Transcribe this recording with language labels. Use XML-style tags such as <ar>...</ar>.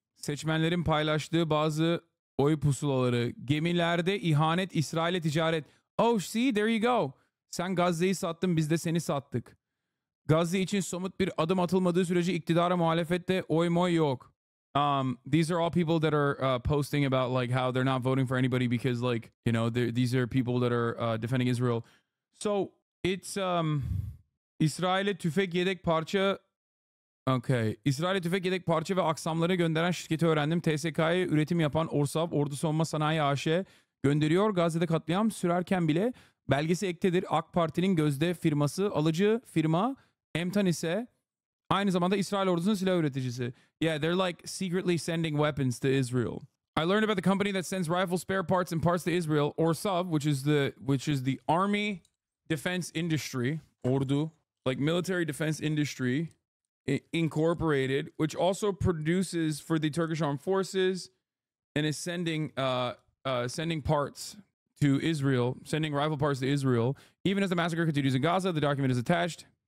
<tr>Seçmenlerin paylaştığı bazı oy pusulaları, gemilerde ihanet, İsrail'e ticaret.</tr> <en>Oh, see, there you go.</en> <tr>Sen Gazze'yi sattın, biz de seni sattık. Gazze için somut bir adım atılmadığı sürece iktidara muhalefette oy moy yok.</tr> <en>These are all people that are posting about like how they're not voting for anybody because, like, you know, these are people that are defending Israel. So it's</en> <tr>İsrail'e tüfek yedek parça.</tr> <en>Okay.</en> <tr>İsrail'e tüfek yedek parça ve aksamları gönderen şirketi öğrendim. TSK'ya üretim yapan Orsav, Ordu Savunma Sanayi AŞ gönderiyor. Gazze'de katliam sürerken bile belgesi ektedir. AK Parti'nin gözde firması, alıcı firma Emtan ise aynı zamanda İsrail ordusunun silah üreticisi.</tr> <en>Yeah, they're like secretly sending weapons to Israel. I learned about the company that sends rifle spare parts and parts to Israel, Orsav, which is the army defense industry, Ordu, like military defense industry. Incorporated, which also produces for the Turkish Armed Forces and is sending parts to Israel, sending rifle parts to Israel, even as the massacre continues in Gaza. The document is attached.</en>